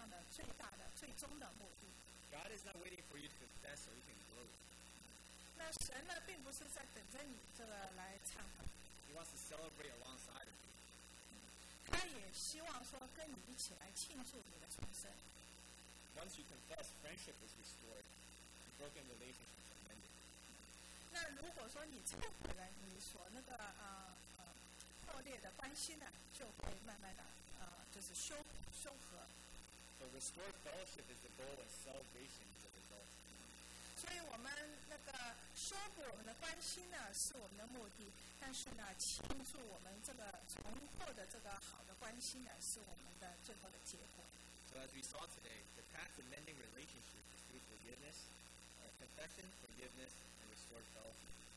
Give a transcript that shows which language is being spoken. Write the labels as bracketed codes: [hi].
[zh] 所以呢，我们那个修补这种破裂的关系呢，是我们这个忏悔和原谅的最大的、最终的目的。 [en] God is not waiting for you to confess or even close. [zh] 那神呢，并不是在等着你这个来忏悔。 [en] He wants to celebrate alongside of you. [zh] 他也希望说跟你一起来庆祝你的重生. [en] Once you confess, friendship is restored. The broken relationship is mended. [zh] 那如果说你忏悔了，你所那个破裂的关系呢，就会慢慢的就是修复。 [en] So restored fellowship is the goal, and celebration is the result. [zh] 所以我们那个修补我们的关系呢，是我们的目的。但是呢，庆祝我们这个重获的这个好的关系呢，是我们的最后的结果。 [en] So as we saw today, the path to mending relationships is through forgiveness, confession, forgiveness, and restored fellowship.